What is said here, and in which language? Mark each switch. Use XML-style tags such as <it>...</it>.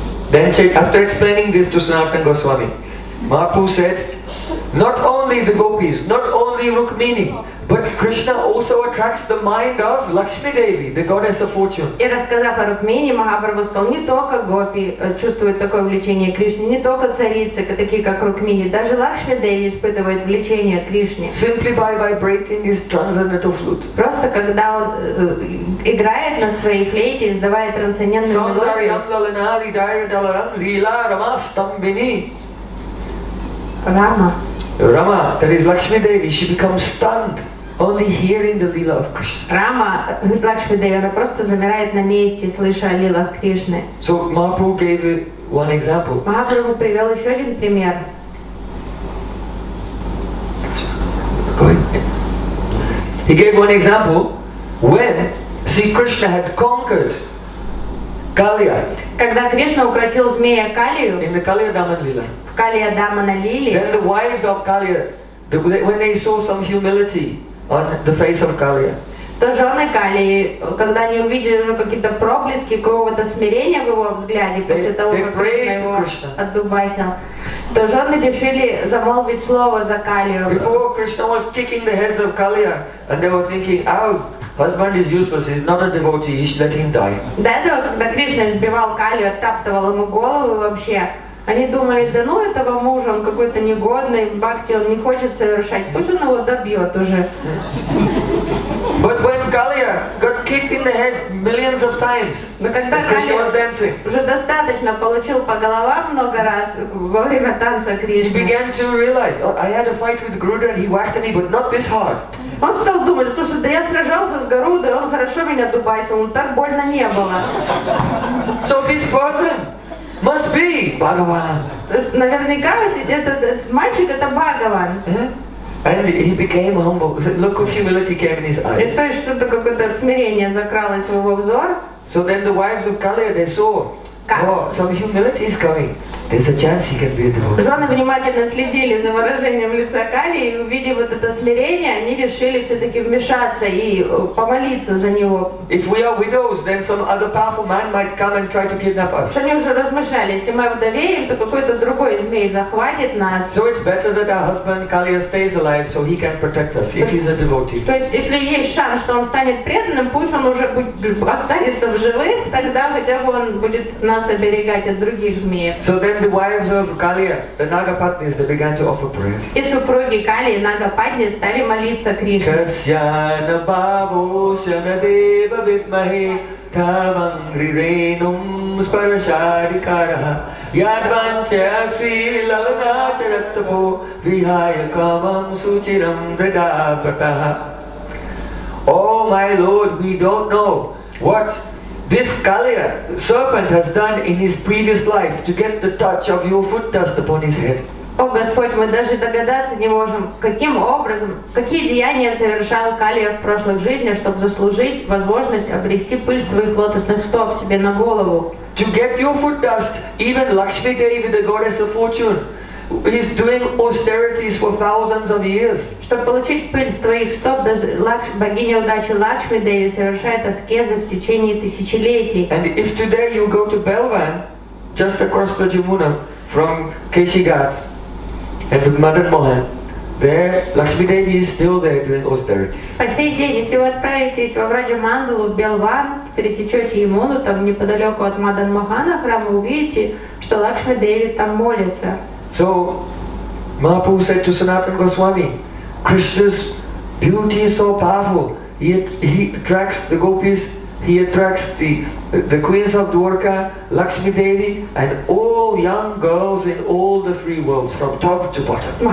<en>Then, after explaining this to Sanatana Goswami, Mahaprabhu said, not only the gopis, not only Rukmini, but Krishna also attracts the mind of Lakshmi Devi, the goddess of fortune.</en> <ru>И рассказав о Рукмини, Махапрабху сказал, не только гопи чувствуют такое влечение к Кришне, не только царицы, такие как Рукмини, даже Лакшми Деви испытывает влечение к Кришне.</ru> <en>Simply by vibrating his transcendental flute.</en> <ru>Просто когда он играет на своей флейте, издавая трансцендентную мелодию.</ru> <en>Rama, that is Lakshmi Devi, she becomes stunned only hearing the Leela of Krishna.</en> <ru>Rama, Lakshmi Devi, она просто замирает на месте, слыша о Лилах Кришны.</ru> <en>So Mahaprabhu gave one example.</en> <ru>Mahaprabhu привел еще один пример.</ru> <en>He gave one example when Sri Krishna had conquered Kaliya.</en> <ru>Когда Кришна укротил змея Калию.</ru> <en>In the Kaliya Daman Leela.</en> <ru>Калия Дамана Лили.</ru> <en>Then the wives of Kaliya, when they saw some humility on the face of Kaliya.</en> <ru>То жены Калии, когда они увидели уже какие-то проблески какого-то смирения в его взгляде после того, как Кришна его отдубасил, то жены решили замолвить слово за Калию.</ru> <en>Before Krishna was kicking the heads of Kaliya, and they were thinking, oh, husband is useless, he's not a devotee, you should let him die.</en> <ru>До этого, когда Кришна избивал Калию, оттаптывал ему голову вообще. Они думали, да ну этого мужа, он какой-то негодный, бхакти он не хочет совершать, пусть он его добьет уже.</ru> <en>But when Kaliya got kicked in the head millions of times, as Krishna was dancing,</en> <ru>уже достаточно получил по головам много раз во время танца Кришны.</ru> <en>He began to realize, I had a fight with Garuda and he whacked me, but not this hard.</en> <ru>Он стал думать, слушай, да я сражался с Гарудой, он хорошо меня дубасил, но так больно не было.</ru> <en>So this person, Must be Bhagavan.</en> <ru>Наверняка этот мальчик это Бхагаван.</ru> <en>And he became humble. Look of humility came in his eyes.</en> <ru>И что-то какое-то смирение закралось в его взор.</ru> <en>So then the wives of Kaliya, they saw. Some humility is coming. There's a chance he can be a devotee.</en> <ru>Жены внимательно следили за выражением лица Кали и увидев вот это смирение, они решили все-таки вмешаться и помолиться за него.</ru> <en>If we are widows, then some other powerful man might come and try to kidnap us.</en> <ru>Они уже размышляли, если мы вдовеем, то какой-то другой змей захватит нас.</ru> <en>So it's better that our husband Kaliya stays alive, so he can protect us if he's a devotee.</en> <ru>То есть если есть шанс, что он станет преданным, пусть он уже останется в живых, тогда хотя бы он будет нас оберегать от других змеев.</ru> <en>So then the wives of Kaliya, the Nagapatnis, they began to offer prayers.</en> <ru>И супруги Кали и Нагапатни стали молиться Кришне.</ru> <sa>Касьяна Бабусяна Дева Витмахи Тавангри Ренум Спарашарикараха Ядванчаси Лаладачараттапо Вихая Камам Сучирам Дадапатаха.</sa> <en>Oh my Lord, we don't know what this Kaliya serpent has done in his previous life to get the touch of your foot dust upon his head.</en> <ru>О Господь, мы даже догадаться не можем, каким образом, какие деяния совершал Калия в прошлых жизнях, чтобы заслужить возможность обрести пыль твоих лотосных стоп себе на голову.</ru> <en>To get your foot dust, even Lakshmi Devi, the goddess of fortune, is doing austerities for thousands of years.</en> <ru>Чтобы получить пыль с твоих стоп, богиня удачи Лакшми Деви совершает аскезы в течение тысячелетий.</ru> <en>And if today you go to Belvan, just across the Jamuna, from Keshighat, and Madan Mohan, there Lakshmi Devi is still there doing austerities.</en> <ru>По сей день, если вы отправитесь во Враджамандалу, Белван, пересечете Ямуну, там неподалеку от Мадан Мохана храма, увидите, что Лакшми Деви там молится.</ru> <en>So, Mahaprabhu said to Sanatana Goswami, Krishna's beauty is so powerful, he attracts the gopis, he attracts the queens of Dwarka, Lakshmi Devi, and all young girls in all the three worlds, from top to bottom.</en>